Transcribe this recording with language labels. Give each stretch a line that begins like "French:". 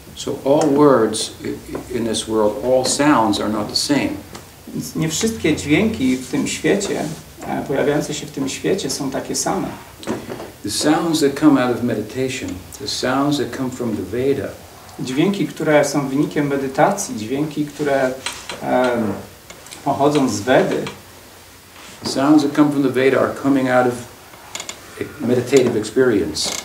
English: So all words in this world, all sounds are not the same.
Polish: Nie wszystkie dźwięki w tym świecie, pojawiające się w tym świecie, są takie same.
English: The sounds that come out of meditation, the sounds that come from the Veda.
Polish: Dźwięki, które są wynikiem medytacji, dźwięki, które pochodzą z Wedy.
English: Sounds that come from the Veda are coming out of meditative experience.